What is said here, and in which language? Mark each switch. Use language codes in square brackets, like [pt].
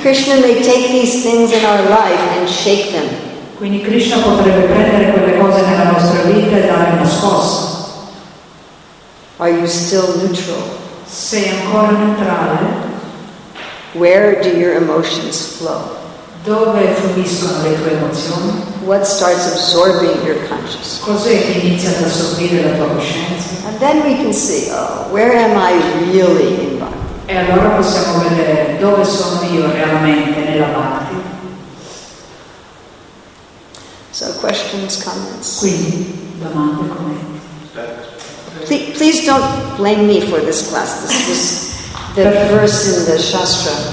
[en] Krishna may take these things in our life and shake them. [it] Quindi Krishna potrebbe prendere quelle cose nella nostra vita e dare una scossa. [en] Are you still neutral? [it] Sei ancora neutrale? [en] Where do your emotions flow? [it] Dove fluiscono le tue emozioni? [en] What starts absorbing your consciousness? [it] Cos'è che inizia ad assorbire la tua coscienza? [en] And then we can see, oh, where am I really in bhakti? [it] E allora possiamo vedere dove sono io realmente nella bhakti. [en] So questions, comments. [it] Quindi domande, commenti. [en] Please don't blame me for this class. This is the verse in the Shastra.